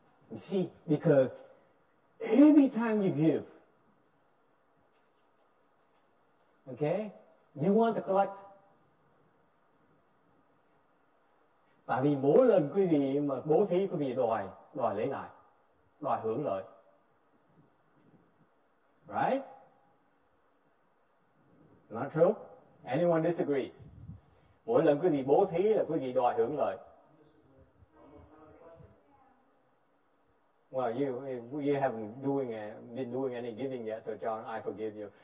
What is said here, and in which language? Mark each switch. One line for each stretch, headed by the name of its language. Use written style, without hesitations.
English: You see, because every time you give, okay, you want to collect.
Vietnamese: Tại vì mỗi lần quý vị mà bố thí, quý vị đòi lấy lại, đòi hưởng lợi.
English: Right? Not true? Anyone disagrees?
Vietnamese: Mỗi lần quý vị bố thí là quý vị đòi hưởng lợi.
English: Well, you haven't been doing any giving yet, so John, I forgive you.